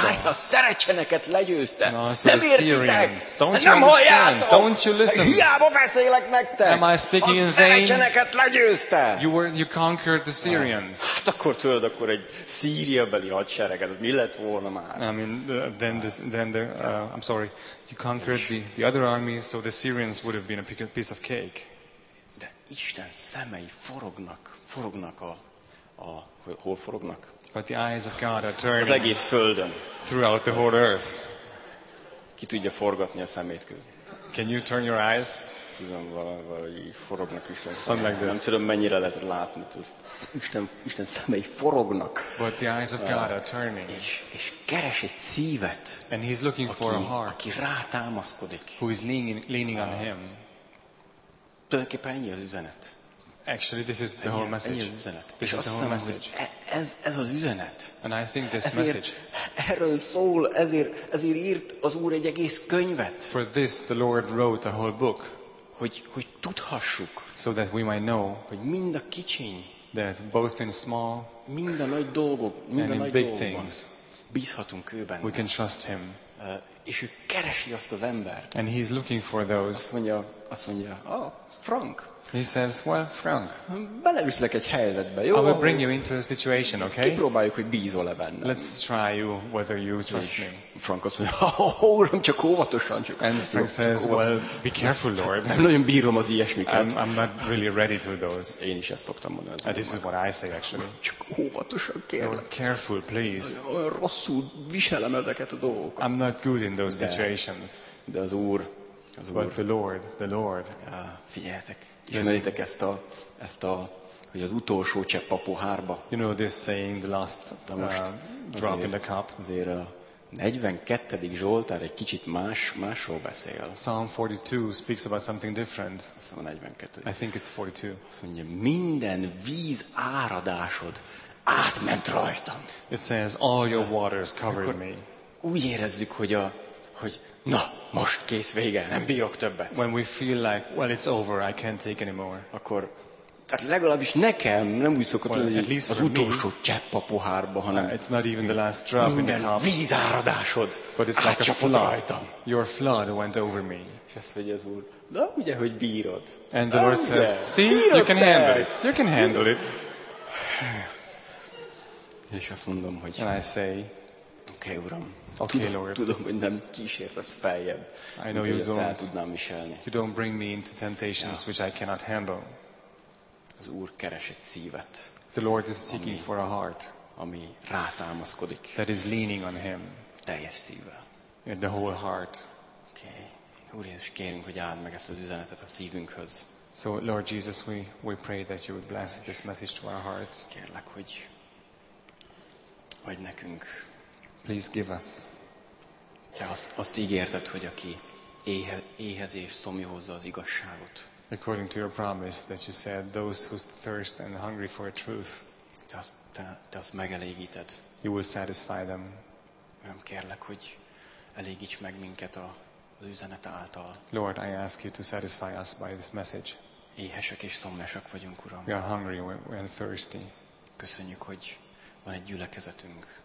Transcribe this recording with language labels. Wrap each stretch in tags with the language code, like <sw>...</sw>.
<hu>Várj, a szerecseneket legyőzte. No, so nem értitek? Nem halljátok?</hu> <en>Don't you listen?</en> <hu>Hiába beszélek nektek.</hu> <en>Am I speaking in vain?</en> <hu>A szerecseneket legyőzte.</hu> <en>You conquered the Syrians.</en> <hu>Hát akkor tudod, akkor egy Szíriabeli hadsereget, mi lett volna már?</hu> <en>I mean, I'm sorry. You conquered the other army, so the Syrians would have been a piece of cake.</en> <hu>Isten szemei forognak a hol forognak?</hu> <en>But the eyes of God are turning.</en> <hu>Az egész földön.</hu> <en>Throughout the whole earth.</en> <hu>Ki tudja forgatni a szemét közül?</hu> <en>Can you turn your eyes?</en> <hu>Tudom, valahogy forognak is.</hu> <en>Something like this.</en> <hu>Nem tudom, mennyire lehet látni. Isten szemei forognak.</hu> <en>But the eyes of God are turning.</en> <hu>És keres egy szívet.</hu> <en>And he's looking for a heart.</en> <hu>Aki rátámaszkodik.</hu> <en>Who is leaning on him.</en> <hu>Tulajdonképpen ennyi az üzenet.</hu> <en>Actually, this is the whole message.</en> <hu>Ennyi az üzenet.</hu> <en>This is the whole message.</en> <hu>Ez az üzenet.</hu> <en>And I think this message.</en> <hu>Erről szól, ezért írt az Úr egy egész könyvet.</hu> <en>For this, the Lord wrote a whole book.</en> <hu>Hogy tudhassuk.</hu> <en>So that we might know.</en> <hu>Hogy mind a kicsiny.</hu> <en>That both in small.</en> <hu>Mind a nagy dolgok.</hu> <en>And in big things.</en> <hu>Bízhatunk ő benne.</hu> <en>We can trust him.</en> <hu>És ő keresi azt az embert.</hu> <en>And he's looking for those.</en> <hu>Azt mondja, Frank.</hu> <en>He says, well, Frank.</en> <hu>Beleviszlek egy helyzetbe, jó?</hu> <en>I will bring you into a situation, okay?</en> <hu>Kipróbáljuk, hogy bízol-e bennem.</hu> <en>Let's try you whether you trust me.</en> <hu>Frank azt mondja, Uram, csak óvatosan, csak.</hu> <en>And Frank says, well, be careful, Lord.</en> <hu>Nem nagyon bírom az ilyesmiket.</hu> <en>I'm not really ready to those.</en> <hu>Én is ezt szoktam mondani.</hu> <en>And this is what I say, actually.</en> <hu>Csak óvatosan, kérlek.</hu> <en>Careful, please.</en> <hu>Olyan rosszul viselem ezeket a dolgokat.</hu> <en>I'm not good in those situations.</en> <hu>De az Úr.</hu> <en>But the Lord.</en> <hu>Figyeljetek, ismeritek ezt a, hogy az utolsó csepp a pohárba.</hu> <en>You know this saying, the last drop in the cup.</en> <hu>Azért a 42. Zsoltár egy kicsit másról beszél.</hu> <en>Psalm 42 speaks about something different.</en> <hu>Szóval 42.</hu> <en>I think it's 42.</en> <hu>Azt mondja, minden víz áradásod átment rajtam.</hu> <en>It says, all your waters covered me.</en> <hu>Úgy érezzük, hogy na, most kész, vége, nem bírok többet.</hu> <en>When we feel like, well, it's over, I can't take anymore.</en> <hu>Akkor, tehát legalábbis nekem nem úgy szokott, hogy az utolsó csepp a pohárba, hanem</hu> <en>it's not even the last drop in the cup.</en> <hu>Minden vízáradásod átcsapott rajtam.</hu> <en>Your flood went over me.</en> <hu>És azt mondja az Úr, na, ugye, hogy bírod.</hu> <en>And the Lord says, see, you can handle it. You can handle it.</en> <hu>És azt mondom, hogy...</hu> <en>And I say...</en> <hu>Okay, Uram.</hu> <en>Okay, Lord.</en> <hu>Tudom, hogy nem kísértesz feljebb.</hu> <en>I know you don't.</en> <hu>El tudnám viselni.</hu> <en>You don't bring me into temptations which I cannot handle.</en> <hu>Az Úr keres egy szívet.</hu> <en>The Lord is seeking for a heart.</en> <hu>Ami rátámaszkodik.</hu> <en>That is leaning on him.</en> <hu>Teljes szívvel.</hu> <en>The whole heart. Okay.</en> <hu>Úr Jézus, kérünk, hogy áld meg ezt az üzenetet a szívünkhöz.</hu> <en>So, Lord Jesus, we pray that you would bless this message to our hearts.</en> <hu>Kérlek, hogy nekünk.</hu> <en>Please give us.</en> <hu>Te azt ígérted, hogy aki éhez és szomjúhozza az igazságot.</hu> <en>According to your promise that you said, those who thirst and hungry for a truth.</en> <hu>Te azt megelégíted.</hu> <en>You will satisfy them.</en> <hu>Nem kérlek, hogy elégíts meg minket az üzenet által.</hu> <en>Lord, I ask you to satisfy us by this message.</en> <hu>Éhesek és szomjasak vagyunk, Uram.</hu> <en>We are hungry and thirsty.</en> <hu>Köszönjük, hogy van egy gyülekezetünk.</hu>